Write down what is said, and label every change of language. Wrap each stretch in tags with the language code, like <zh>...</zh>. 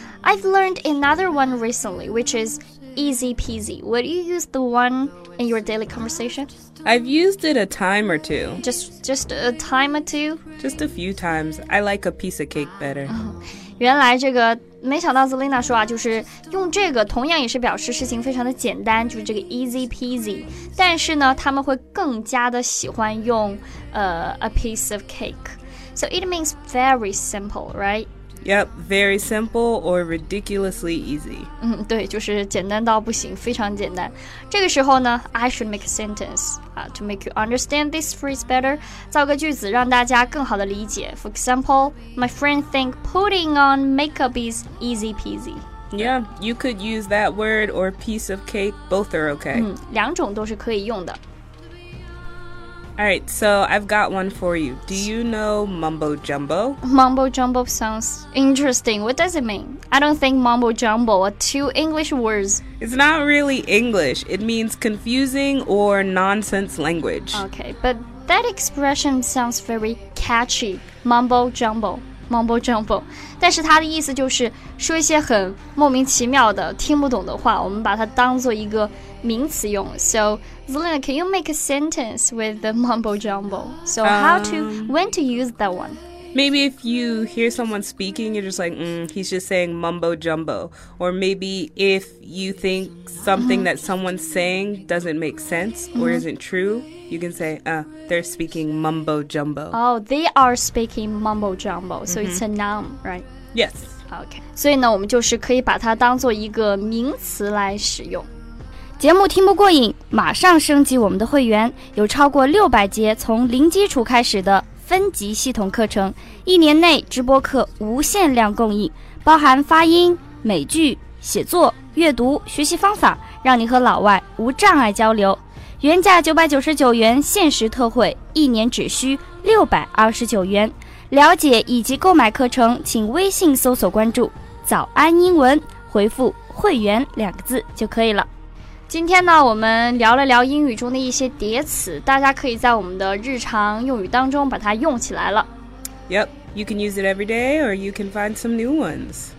<en>I've learned another one recently, which is easy peasy. Would you use the one in your daily conversation? I've used it a time or two. Just a time or two? Just a few times. I like a piece of cake better.</en> <zh>原来这个没想到 Zelina 说啊，就是用这个同样也是表示事情非常的简单，就是这个 easy peasy， 但是呢他们会更加的喜欢用、a piece of cake.</zh> <en>So it means very simple, right? Yep, very simple or ridiculously easy.</en> <zh>对，就是简单到不行，非常简单。这个时候呢</zh> <en>I should make a sentence、to make you understand this phrase better.</en> <zh>造个句子让大家更好的理解。</zh> <en>For example, my friend think putting on makeup is easy peasy. Yeah, you could use that word or piece of cake. Both are okay.</en> <zh>两种都是可以用的。</zh> <en>All right, so I've got one for you. Do you know mumbo jumbo? Mumbo jumbo sounds interesting. What does it mean? I don't think mumbo jumbo are two English words. It's not really English. It means confusing or nonsense language. Okay, but that expression sounds very catchy. Mumbo jumbo, mumbo jumbo.</en> <zh>但是它的意思就是说一些很莫名其妙的听不懂的话，我们把它当作一个名词用。</zh> <en>So, Zelina, can you make a sentence with the mumbo jumbo? So, when to use that one? Maybe if you hear someone speaking, you're just like, he's just saying mumbo jumbo. Or maybe if you think something that someone's saying doesn't make sense or isn't true, you can say, they're speaking mumbo jumbo. Oh, they are speaking mumbo jumbo. So, it's a noun, right? Yes. Okay.</en> <zh>所以呢，我们就是可以把它当作一个名词来使用。节目听不过瘾，马上升级我们的会员，有超过600节从零基础开始的分级系统课程，一年内直播课无限量供应，包含发音、美剧、写作、阅读、学习方法，让你和老外无障碍交流。原价999元，限时特惠，一年只需629元。了解以及购买课程，请微信搜索关注“早安英文”，回复“会员”两个字就可以了。今天呢，我们聊了聊英语中的一些叠词，大家可以在我们的日常用语当中把它用起来了。</zh> <en>Yep, you can use it every day or you can find some new ones.</en>